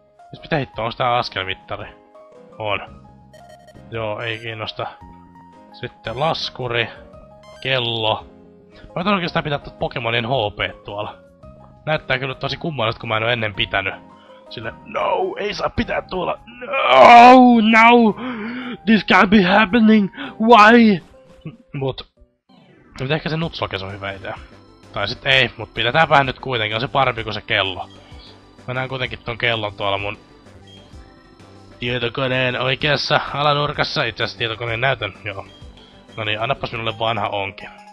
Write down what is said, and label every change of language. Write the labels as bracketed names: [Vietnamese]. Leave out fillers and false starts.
[Finnish] Siis mitä hittoa, onko tää askelmittari? On. Joo, ei kiinnosta. Sitten laskuri. Kello. Mä voin oikeastaan pitää tuot Pokemonin HP:t tuolla. Näyttää kyllä tosi kummallista, kun mä en oo ennen pitänyt. Sille, no, ei saa pitää tuolla. [English] No, this can't be happening. Why? [Finnish] Mut... mut ehkä se Nutslokes on hyvä idea. Tai sit ei, mut pidetään vähän nyt kuitenkin. On se parempi kuin se kello. Mä näen kuitenkin ton kellon tuolla mun... tietokoneen oikeassa alanurkassa. Itse asiassa tietokoneen näytön, joo. No niin, annapas minulle vanha onki.